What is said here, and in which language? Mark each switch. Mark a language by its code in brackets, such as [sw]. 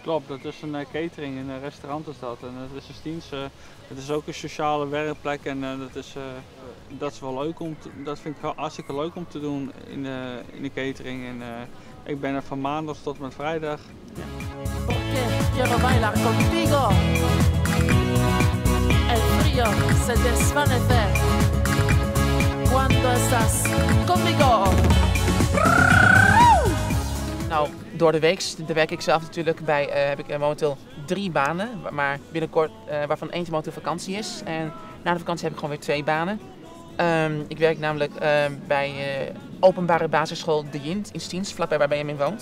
[nl] Klopt, dat is een catering, een restaurant is dat. En dat is een Steens. Het is ook een sociale werkplek en dat is wel leuk om te, dat vind ik wel hartstikke leuk om te doen in de catering. En ik ben er van maandag tot met vrijdag. Ja. [es] Okay. quiero bailar contigo. El frío se desvanece cuando estás conmigo. [nl] Nou, door de week werk ik zelf natuurlijk bij, heb ik momenteel 3 banen, maar binnenkort, waarvan eentje momenteel vakantie is. En na de vakantie heb ik gewoon weer 2 banen. Ik werk namelijk bij openbare basisschool De Jint in Stiens, vlakbij waar Benjamin woont.